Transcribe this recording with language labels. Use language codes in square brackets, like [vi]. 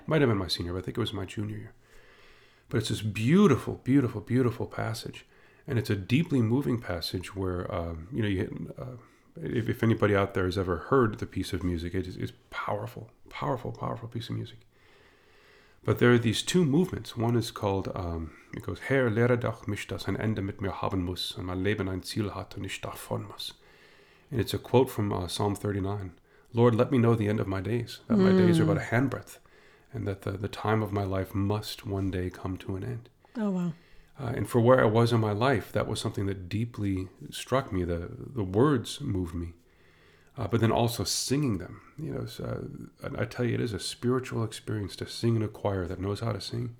[en] Might have been my senior, but I think it was my junior year. But it's this beautiful, beautiful, beautiful passage. And it's a deeply moving passage where, you know, if anybody out there has ever heard the piece of music, it is powerful, powerful, powerful piece of music. But there are these two movements. One is called, it goes, [de] Herr, lehre doch mich, dass ein Ende mit mir haben muss, und mein Leben ein Ziel hat, und ich davon muss. [en] And it's a quote from Psalm 39. Lord, let me know the end of my days, that my days are but a handbreadth, and that the time of my life must one day come to an end. Oh, wow. And for where I was in my life, that was something that deeply struck me. The words moved me. But then also singing them. You know, I tell you, it is a spiritual experience to sing in a choir that knows how to sing.